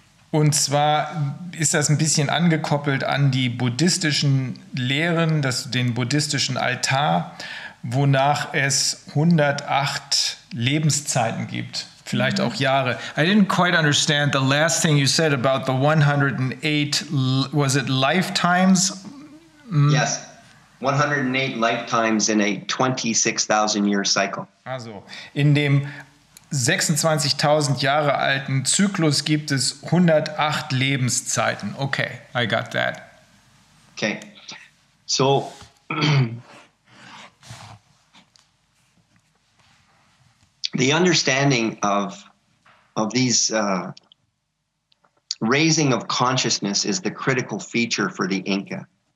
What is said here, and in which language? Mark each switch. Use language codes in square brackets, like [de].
[de] Und zwar ist das ein bisschen angekoppelt an die buddhistischen Lehren, den buddhistischen Altar, wonach es 108 Lebenszeiten gibt, vielleicht auch Jahre. [en] I didn't quite understand the last thing you said about the 108, was it lifetimes? Yes, 108 lifetimes in a 26,000 year cycle. [de] Also, in dem 26.000 Jahre alten Zyklus gibt es 108 Lebenszeiten. [en] Okay, I got that. Okay, so the understanding of these raising of consciousness is the critical feature for the Inca.